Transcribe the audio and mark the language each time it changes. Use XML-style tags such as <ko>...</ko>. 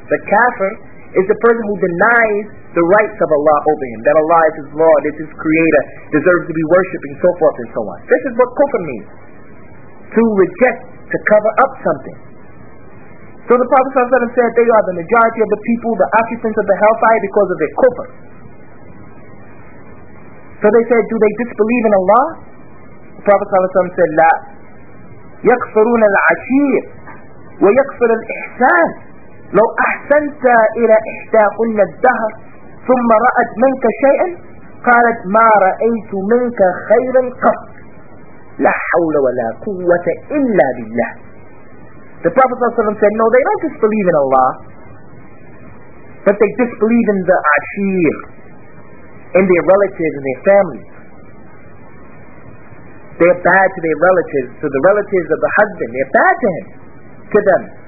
<en>The kafir is the person who denies the rights of Allah over him, that Allah is his Lord, is his creator, deserves to be worshipped, and so forth and so on. This is what kufr means. To reject, to cover up something. So the Prophet ﷺ said they are the majority of the people, the occupants of the hellfire, because of their kufr. So they said, "Do they disbelieve in Allah?" The Prophet ﷺ said,</en> <ar>"La يكفرون العشير ويكفر الإحسان لو أحسنت إلى إحداهن الدهر ثم رأت منك شيئا قالت ما رأيت منك خيرا قط لا حول ولا قوة إلا بالله."</ar> <en>The Prophet ﷺ said, "No, they don't disbelieve in Allah, but they disbelieve in the ashir, in their relatives and their families. They're bad to their relatives, to the relatives of the husband. They're bad to him, to them."</en>